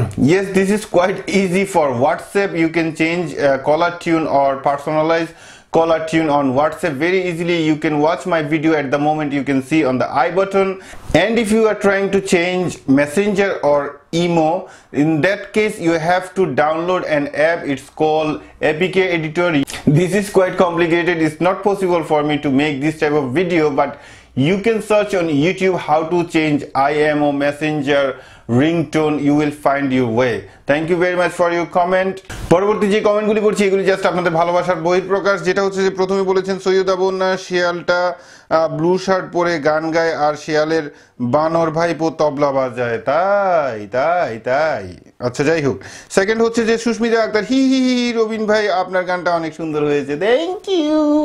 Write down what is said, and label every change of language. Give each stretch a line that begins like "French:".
English: Yes, this is quite easy for WhatsApp, you can change caller tune or personalise caller tune on WhatsApp very easily, you can watch my video at the moment, you can see on the I button, and if you are trying to change Messenger or imo in that case you have to download an app, it's call APK editor. This is quite complicated, it's not possible for me to make this type of video, but you can search on YouTube how to change IMO Messenger ringtone, you will find your way. Thank you very much for your comment.
Bangla: পরবর্তী যে কমেন্টগুলি পড়ছি এগুলি just আপনাদের ভালোবাসার বহিঃপ্রকাশ। যেটা হচ্ছে যে প্রথমে বলেছেন সৈয়দ আবুন্না শিয়ালটা ব্লু শার্ট পরে গান গায় আর শিয়ালের বানর ভাইপো তবলা বাজায়, তাই তাই তাই। আচ্ছা যাই হোক, সেকেন্ড হচ্ছে যে সুস্মিতা আক্তার, হি হি হি রবীন ভাই আপনার গানটা অনেক সুন্দর হয়েছে,
English: Thank you.